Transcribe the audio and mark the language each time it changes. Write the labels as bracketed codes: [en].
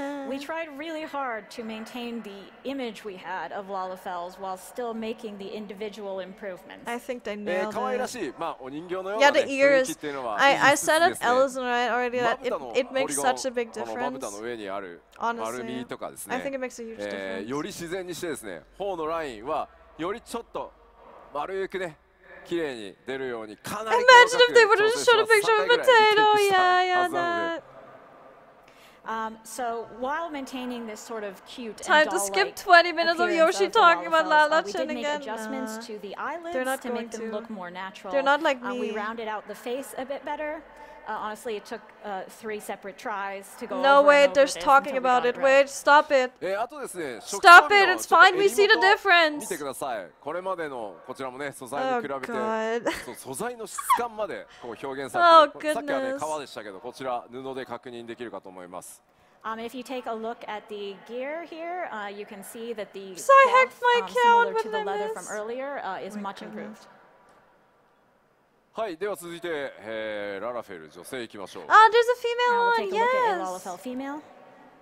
[en] We tried really hard to maintain the image we had of Lalafels while still making the individual improvements. I think they nailed it. [ja] 可愛らしい。まあお人形のような雰囲気っていうのは。 [en] I said it, Ellison, right? Already that it makes such a big difference. [ja] まぶたの上にある丸みとかですね。 [en] I think it makes a huge difference. [ja] より自然にしてですね、頬のラインはよりちょっと丸くね。綺麗に出るようにかなり広角調整します。 3回ぐらい見てきたはずなので。 [en] So while maintaining this sort of cute time to skip 20 minutes of Yoshi talking about Lala Chen again. We did make adjustments to the eyelids to make them look more natural. They're not like me. We rounded out the face a bit better. Honestly, it took three separate tries to go. No way, they're talking about it. Wait, stop it. [ja] あとですね、 [en] Stop it. It's fine. We see the difference. [ja] 見てください。これまでのこちらもね、素材に比べて、素材の質感までこう表現されて、さっきはね、革でしたけど、こちら布で確認できるかと思います。 [en] If you take a look at the gear here, you can see that the similar to the leather from earlier is much improved. [ja] はい、では続いて、ララフェル女性行きましょう。 [en] あ、there's a female one. Yes. [ja] このようになってます。